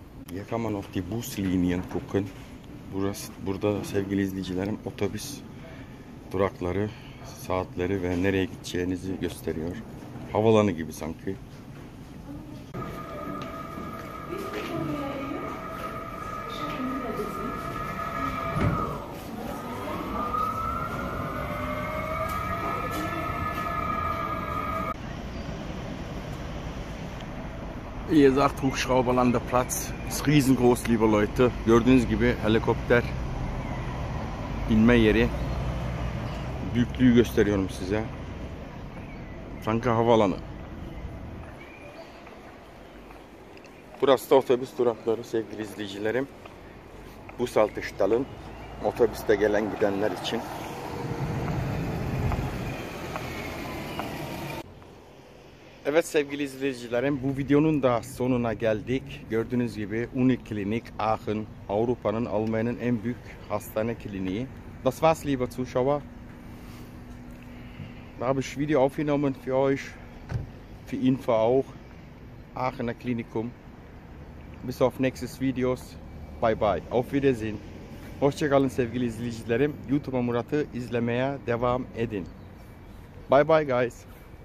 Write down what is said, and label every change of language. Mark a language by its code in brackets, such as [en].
[de] Hier kann man auf die Buslinien gucken. [tr] Burası, burada sevgili izleyicilerim otobüs durakları, saatleri ve nereye gideceğinizi gösteriyor. Havalanı gibi sanki. [de] Wie gesagt, Hubschrauber Landeplatz ist riesengroß, liebe Leute. [tr] Gördüğünüz gibi helikopter inme yeri. Büyüklüğü gösteriyorum size. Sanki havaalanı. Burası da otobüs durakları sevgili izleyicilerim. Busaltıştalın otobüste gelen gidenler için. Evet sevgili izleyicilerim, bu videonun da sonuna geldik. Gördüğünüz gibi Uniklinik Aachen, Avrupa'nın, Almanya'nın en büyük hastane kliniği. [de] Das war's liebe Zuschauer. Da habe ich Video aufgenommen für euch, für Info auch. Aachener Klinikum. Bis auf nächstes Videos. Bye bye. Auf Wiedersehen. [tr] Hoşçakalın sevgili izleyicilerim. YouTube'a Murat'ı izlemeye devam edin. [en] Bye bye guys.